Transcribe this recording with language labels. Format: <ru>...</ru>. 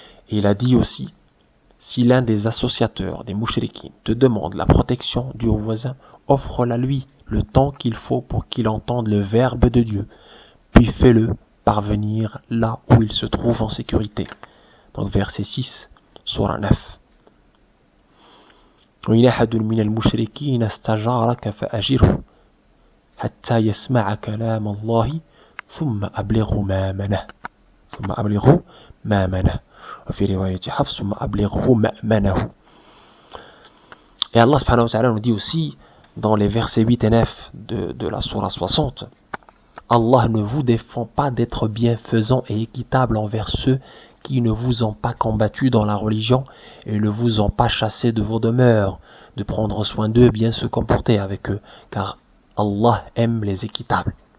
<fr>Et il a dit aussi, si l'un des associateurs des mouchriquins te demande la protection du voisin, offre-la lui le temps qu'il faut pour qu'il entende le verbe de Dieu, puis fais-le parvenir là où il se trouve en sécurité. Donc verset 6, sourate 9.</fr> <ar>وإن أحد من المشركين استجارك فأجره حتى يسمع كلام الله ثم أبلغه ما منه ثم أبلغه ما منه وفي رواية حفص ثم أبلغه ما منه.</ar> <fr>Et Allah subhanahu wa ta'ala nous dit aussi dans les versets 8 et 9 de la sourate 60, Allah ne vous défend pas d'être bienfaisant et équitable envers ceux qui ne vous ont pas combattu dans la religion et ne vous ont pas chassé de vos demeures, de prendre soin d'eux, bien se comporter avec eux, car Allah aime les équitables.</fr>